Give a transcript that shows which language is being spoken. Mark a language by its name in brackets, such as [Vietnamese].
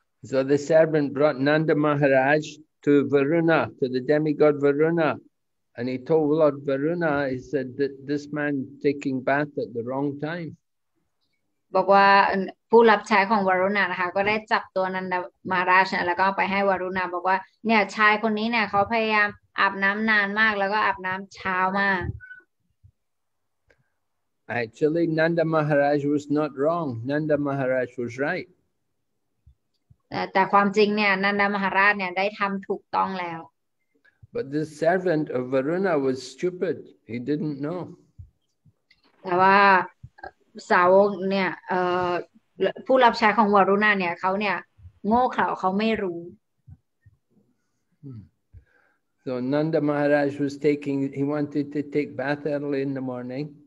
[English] So the servant brought Nanda Maharaj. To Varuna, to the demigod Varuna, and he told Lord Varuna, he said that this man taking bath at the wrong time. [Thai] บอกว่าผู้รับใช้ของวารุณะนะคะก็ได้จับตัวนันดามาราชแล้วก็ไปให้วารุณะบอกว่าเนี่ยชายคนนี้เนี่ยเขาพยายามอาบน้ำนานมากแล้วก็อาบน้ำเช้ามาก [English] Actually, Nanda Maharaj was not wrong. Nanda Maharaj was right. [Thai] แต่ความจริงเนี่ยนันดามหาราชเนี่ยได้ทำถูกต้องแล้ว [English] But the servant of Varuna was stupid. He didn't know. [Thai] แต่ว่าสาวกเนี่ยผู้รับใช้ของวารุณาเนี่ยเขาเนี่ยโง่เขลาเขาไม่รู้ [English] So Nanda Maharaj was taking, he wanted to take bath early in the morning.